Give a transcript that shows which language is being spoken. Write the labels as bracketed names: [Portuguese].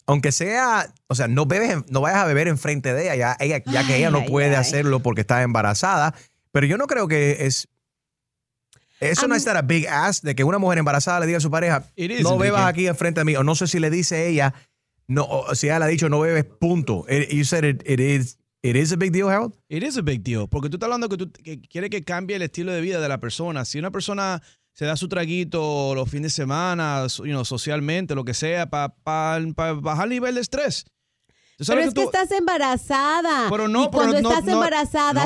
[Spanish] aunque sea, o sea, no bebes, no vayas a beber enfrente de ella, ya que ella no puede hacerlo porque está embarazada. Pero yo no creo que es... Eso no es [English] that a big ass [Spanish] de que una mujer embarazada le diga a su pareja, no bebas aquí enfrente de mí. O no sé si le dice ella, no, o si ella le ha dicho no bebes, punto. [English] You said it is a big deal, Harold? It is a big deal. [Spanish] Porque tú estás hablando que tú que quieres que cambie el estilo de vida de la persona. Si una persona se da su traguito los fines de semana, [English] you know, [Spanish] socialmente, lo que sea, para bajar el nivel de estrés. Pero es que estás embarazada. Pero no, y cuando estás no, embarazada,